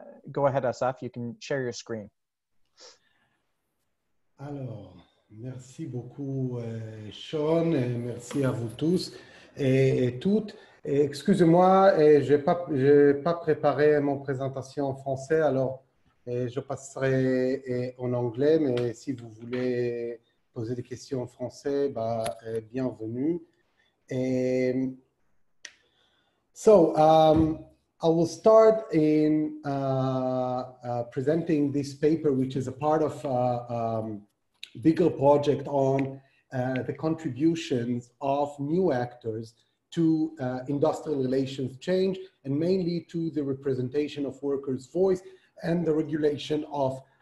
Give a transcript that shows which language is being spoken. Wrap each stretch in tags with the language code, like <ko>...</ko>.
<en>Go ahead, Asaf, you can share your screen.</en> <fr>Alors, merci beaucoup, Sean, et merci à vous tous et toutes. Et excusez-moi, je n'ai pas préparé mon présentation en français, alors et je passerai en anglais, mais si vous voulez poser des questions en français, bienvenue.</fr> <en>I will start in presenting this paper, which is a part of a bigger project on the contributions of new actors to industrial relations change, and mainly to the representation of workers' voice and the regulation of</en>